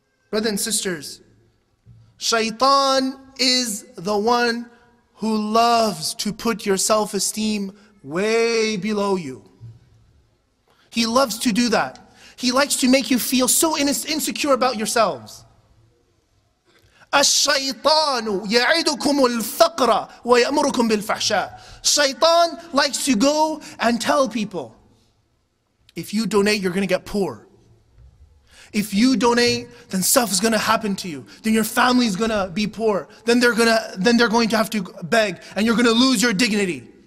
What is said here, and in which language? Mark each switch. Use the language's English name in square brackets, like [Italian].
[English] Brothers and sisters, Shaitan is the one who loves to put your self-esteem way below you. He loves to do that. He likes to make you feel so insecure about yourselves. [Arabic] الشيطان يعدكم الفقر ويأمركم بالفحشاء. [English] Shaitan likes to go and tell people, if you donate, you're going to get poor. If you donate, then stuff is going to happen to you. Then your family is going to be poor. Then they're going to have to beg, and you're going to lose your dignity.